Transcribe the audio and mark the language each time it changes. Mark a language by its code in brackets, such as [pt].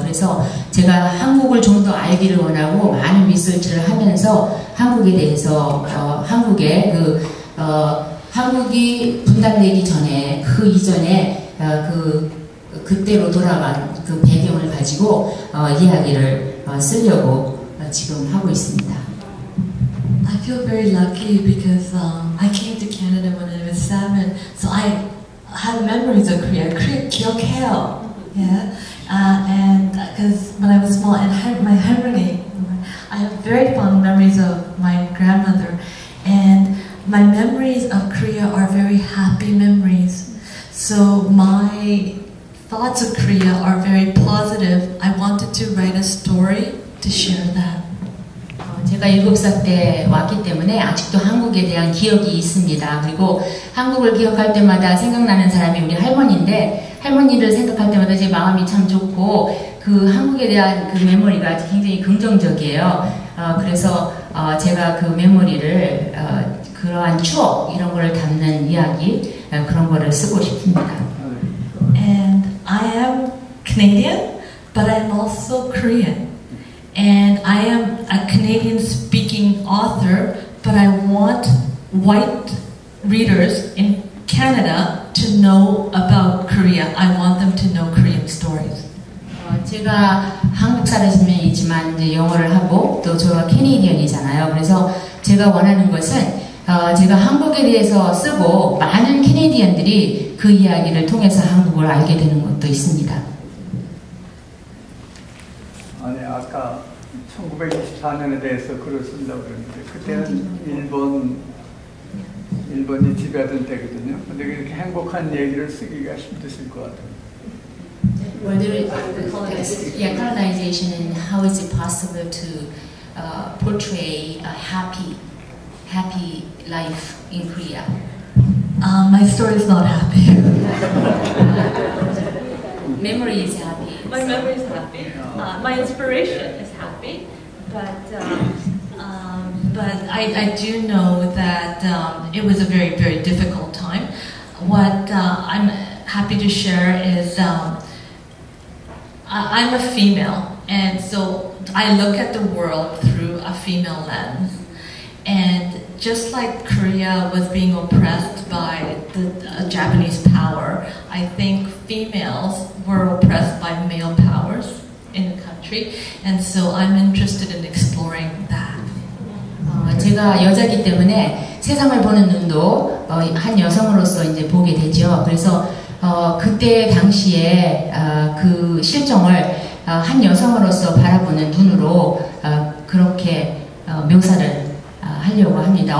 [ko] 그래서 제가 한국을 좀 더 알기를 원하고 많은 리서치를 하면서 한국에 대해서 한국의 한국이 분단되기 전에 그 이전에 그때로 돌아간 그 배경을 가지고 이야기를 쓰려고 지금 하고 있습니다. [en] I feel very lucky because I came to Canada when I was 7, so I have memories of Korea. [ko] Korea 기억해요. [en] And because when I was small and my memory, I have very fond memories of my grandmother and. My memories of Korea are very happy memories. So my thoughts of Korea are very positive. I wanted to write a story to share that. [ko] 제가 7살 때 왔기 때문에 아직도 한국에 대한 기억이 있습니다. 그리고 한국을 기억할 때마다 생각나는 사람이 우리 할머니인데 할머니를 생각할 때마다 제 마음이 참 좋고 그 한국에 대한 그 메모리가 굉장히 긍정적이에요. 그래서 제가 그 메모리를 그러한 추억 이런 거를 담는 이야기 그런 거를 쓰고 싶습니다. [en] And I am Canadian, but I'm also Korean. And I am a Canadian speaking author, but I want white readers in Canada to know about Korea. I want them to know Korean stories. [ko] 제가 한국 사람이지만 이제 영어를 하고 또 저가 캐네디언이잖아요. 그래서 제가 원하는 것은 제가 한국에 대해서 쓰고 많은 캐네디언들이 그 이야기를 통해서 한국을 알게 되는 것도 있습니다. 아니 아까 1924년에 대해서 글을 쓴다고 그랬는데 그때는 일본이 지배하던 때거든요. 근데 그렇게 행복한 얘기를 쓰기가 힘드실 것 같아요. [en] Colonization and how is it possible to portray a happy life in Korea? My story is not happy. Memory is happy. My memory is happy. My inspiration is happy. But I do know that it was a very, very difficult time. What I'm happy to share is I'm a female, and so I look at the world through a female lens. And just like Korea was being oppressed by the Japanese power, I think females were oppressed by male powers in the country. And so I'm interested in exploring that. [ko] 제가 여자이기 때문에 세상을 보는 눈도 한 여성으로서 이제 보게 되죠. 그래서 그때 당시에 그 실정을 한 여성으로서 바라보는 눈으로 그렇게 묘사를 하려고 합니다.